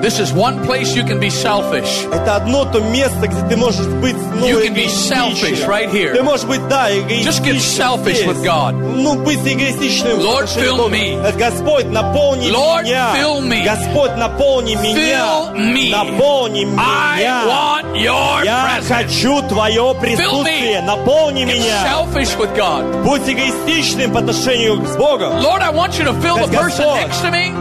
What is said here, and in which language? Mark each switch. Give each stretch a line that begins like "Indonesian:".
English: This is one place you can be selfish.
Russian: Это одно то место, где ты можешь быть эгоистичным.
English: You can be selfish right here.
Russian: Ты можешь быть да эгоистичным.
English: Just get selfish with God.
Russian: Ну быть эгоистичным.
English: Lord, fill me.
Russian: Господь, наполни меня.
English: Lord, fill me.
Russian: Господь, наполни меня.
English: Fill me.
Russian: Наполни меня.
English: I want your presence.
Russian: Я хочу твое присутствие. Наполни меня.
English: Get selfish with God.
Russian: Будь эгоистичным по отношению к Богу.
English: Lord, I want you to fill the person next to me.